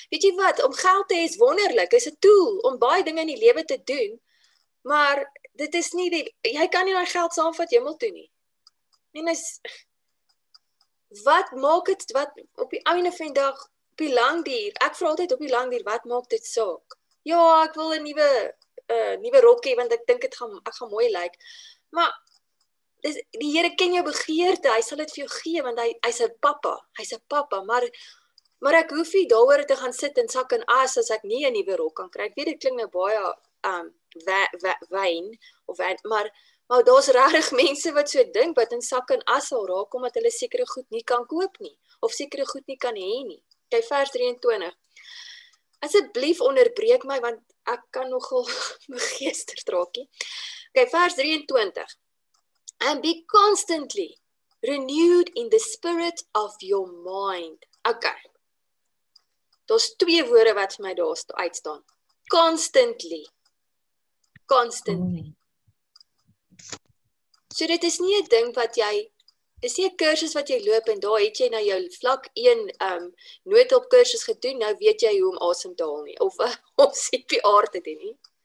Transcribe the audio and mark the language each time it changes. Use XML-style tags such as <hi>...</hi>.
<af>Weet jy wat, om geld te hê is wonderlik, is een tool om baie dinge in die lewe te doen, maar dit is nie, jy kan nie my geld saamvat jimmel toe nie. En is, wat maak het, wat op die einde van die dag, op die lang duur, ek vra altyd op die lang duur, wat maak dit saak? Ja, ek wil een nuwe rokkie, want ek dink ek gaan mooi lyk. Maar, dus die Here ken jou begeerte, hy sal dit vir jou gee, want hy is een papa, maar ek hoef nie daaroor te gaan sit en sak in as, as ek nie een nuwe rok kan kry. Ek weet, dit klink nou baie wyn, maar daar is rarig mense wat so dink, wat in sak in as sal raak, omdat hulle sekere goed nie kan koop nie, of sekere goed nie kan hê nie. Kyk vers 23, asseblief onderbreek my, want ek kan nogal begeesterd raakie. Okay, vers 23.</af> <en>And be constantly renewed in the spirit of your mind. Okay.</en> <af>Daar's twee woorde wat vir my daar uitstaan. Constantly. So dit is nie 'n ding wat jy... Dis nie 'n kursus wat jy loop en daar het jy nou jou vlak 1 noodhulp kursus gedoen, nou weet jy hoe om asem te haal nie, of om CPR te doen nie.</af>